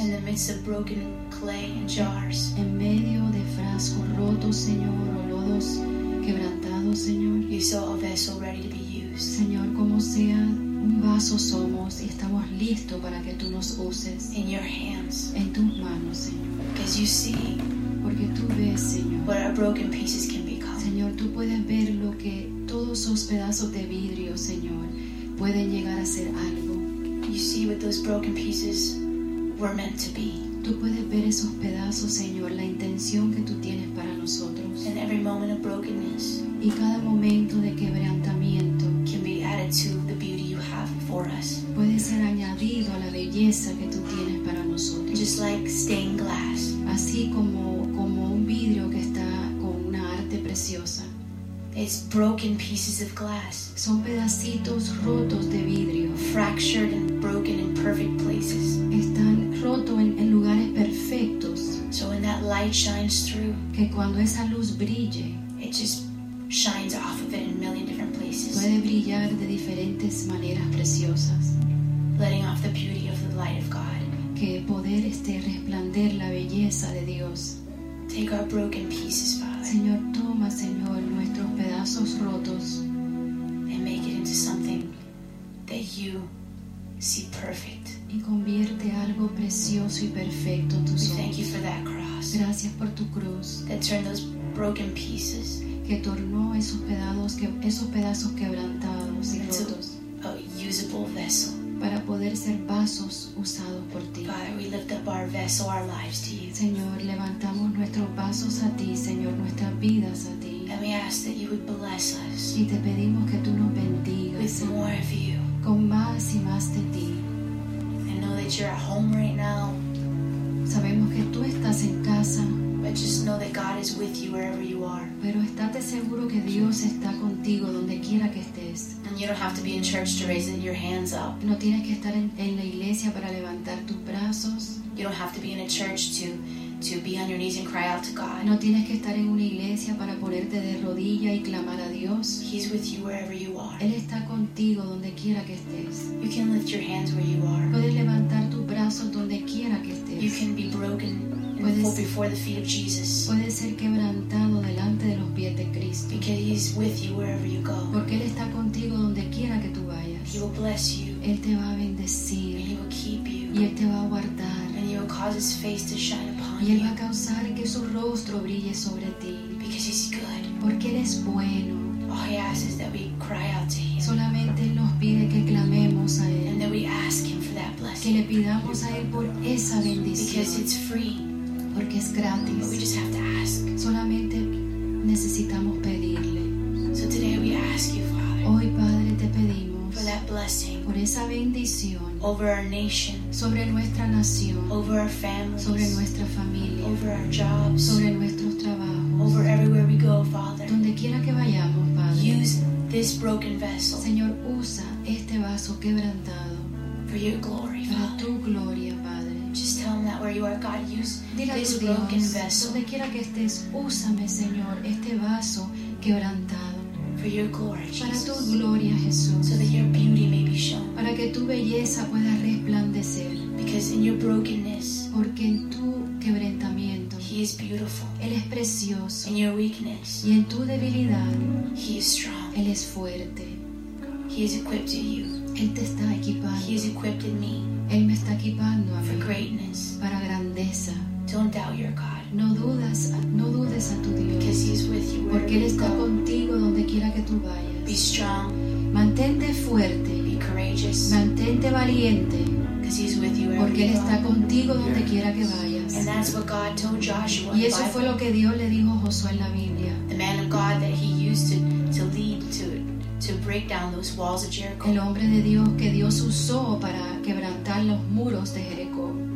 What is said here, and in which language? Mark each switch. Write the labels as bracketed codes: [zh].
[en] in the midst of broken clay and jars, [es] en medio de frascos rotos, Señor, o lodos quebrantados, Señor, [en] you saw a vessel ready to be used, [es] Señor, como sea un vaso somos y estamos listos para que tú nos uses, [en] in your hands, [es] en tus manos, Señor, [en] because you see, [es] porque tú ves, Señor, [en] what our broken pieces can become, [es] Señor, tú puedes ver lo que todos esos pedazos de vidrio, Señor, pueden llegar a ser algo. [en] You see what those broken pieces were meant to be. [es] Tú puedes ver esos pedazos, Señor, la intención que tú tienes para nosotros. [en] And every moment of brokenness. [es] Y cada momento de quebrantamiento. [en] Can be added to the beauty you have for us. [es] Puede ser añadido a la belleza que tú tienes para nosotros. [en] Just like stained glass. [es] Así como un vidrio que está con una arte preciosa. [en] It's broken pieces of glass. [es] Son pedacitos rotos de vidrio. [en] Fractured and broken in perfect places. [es] Están rotos en lugares perfectos. [en] So when that light shines through, [es] que cuando esa luz brille, [en] it just shines off of it in a million different places. [es] Puede brillar de diferentes maneras preciosas. [en] Letting off the beauty of the light of God. [es] Que poder este resplandecer la belleza de Dios. [en] Take our broken pieces, Father. [es] Señor, toma, Señor, nuestros pedazos rotos. [en] And make it into something that you see perfect. [es] Y convierte algo precioso y perfecto en tus ojos. [en] Thank you for that cross. [es] Gracias por tu cruz. [en] That turned those broken pieces. [es] Que tornó esos pedazos quebrantados y rotos. [en] A usable vessel. [es] Para poder ser vasos usados por ti. [en] Father, we lift up our vessel, our lives to you. [es] Señor, levantamos nuestros vasos a ti, Señor, nuestras vidas a ti. [en] And we ask that you would bless us. [es] Y te pedimos que tú nos bendigas. [en] With more of you. [es] Con más y más de ti. [en] I know that you're at home right now. [es] Sabemos que tú estás en casa. [en] But just know that God is with you wherever you are. [es] Pero estate seguro que Dios está contigo donde quiera que estés. [en] And you don't have to be in church to raise your hands up. [es] No tienes que estar en la iglesia para levantar tus brazos. [en] You don't have to be in a church to be on your knees and cry out to God. [es] No tienes que estar en una iglesia para ponerte de rodilla y clamar a Dios. [en] He's with you wherever you are. [es] Él está contigo donde quiera que estés. [en] You can lift your hands where you are. [es] Puedes levantar tus brazos donde quiera que estés. [en] You can be broken and fall before the feet of Jesus. [es] Puedes ser quebrantado delante de los pies de Cristo. [en] Because he's with you wherever you go. [es] Porque Él está contigo donde quiera que tú vayas. [en] He will bless you. [es] Él te va a bendecir. [en] And he will keep you. [es] Y Él te va a guardar. [en] And he will cause his face to shine upon you. [es] Y él va a causar que su rostro brille sobre ti. [en] Because he's good. [es] Porque él es bueno. [en] All he asks is that we cry out to him. [es] Solamente él nos pide que clamemos a él. [en] And that we ask him for that blessing. [es] Que le pidamos a él por esa bendición. [en] Because it's free. [es] Porque es gratis. [en] But we just have to ask. [es] Solamente necesitamos pedirle. [en] So today we ask you, Father. [es] Hoy, Padre, te pedimos. [en] For that blessing. [es] Por esa bendición. [en] Over our nation, [es] sobre nuestra nación, [en] over our families, [es] sobre nuestra familia, [en] over our jobs, [es] sobre nuestros trabajos, [en] over everywhere we go, Father. [es] Donde quiera que vayamos, Padre. [en] Use this broken vessel, [es] Señor, usa este vaso quebrantado, [en] for your glory, [es] para tu gloria, Padre. [en] Just tell him that where you are, God, use this broken vessel. [es] Donde quiera que estés, úsame, Señor, este vaso quebrantado. [en] For your glory, Jesus. [es] Para tu gloria, Jesús. [en] So that your beauty may be shown. [es] Para que tu belleza pueda resplandecer. [en] Because in your brokenness, [es] porque en tu quebrantamiento, [en] he is beautiful. [es] Él es precioso. [en] In your weakness, [es] y en tu debilidad, [en] he is strong. [es] Él es fuerte. [en] He is equipped to you. [es] Él te está equipando. [en] He is equipped in me. [es] Él me está equipando a mí. [en] For greatness. [es] Para grandeza. [en] Don't doubt your God. [es] No dudes a tu Dios. [en] Because he is with you. [es] Porque él está contigo donde quiera que tú vayas. [en] Be strong. [es] Mantente fuerte. [en] Be courageous. [es] Mantente valiente. [en] Because he is with you. [es] Porque él está contigo donde quiera que vayas. [en] And that's what God told Joshua. [es] Y eso fue lo que Dios le dijo a Josué en la Biblia. [en] The man of God that he used to lead to break down those walls of Jericho. [es] El hombre de Dios que Dios usó para quebrantar los muros de Jericó.